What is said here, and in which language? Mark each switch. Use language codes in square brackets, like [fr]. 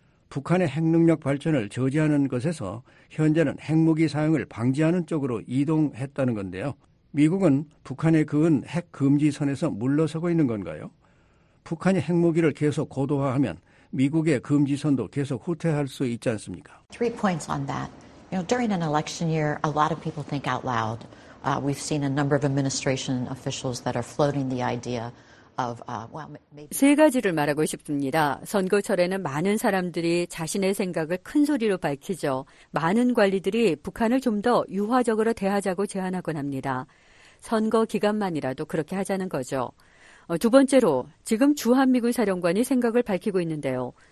[ko] 북한의 핵능력 발전을 저지하는 것에서 현재는 핵무기 사용을 방지하는 쪽으로 이동했다는 건데요. 미국은 북한에 그은 핵금지선에서 물러서고 있는 건가요? 북한이 핵무기를 계속 고도화하면 미국의 금지선도 계속 후퇴할 수 있지 않습니까? [en] Three points on that. You know, during an election year, a lot of people think out loud. We've seen a number of administration officials that are floating the idea of, well, maybe. [ko] 세 가지를 말하고 싶습니다. 선거철에는 많은 사람들이 자신의 생각을 큰 소리로 밝히죠. 많은 관리들이 북한을 좀 더 유화적으로 대하자고 제안하곤 합니다. 선거 기간만이라도 그렇게 하자는 거죠. 두 번째로 지금 주한미군 사령관이 생각을 밝히고 있는데요.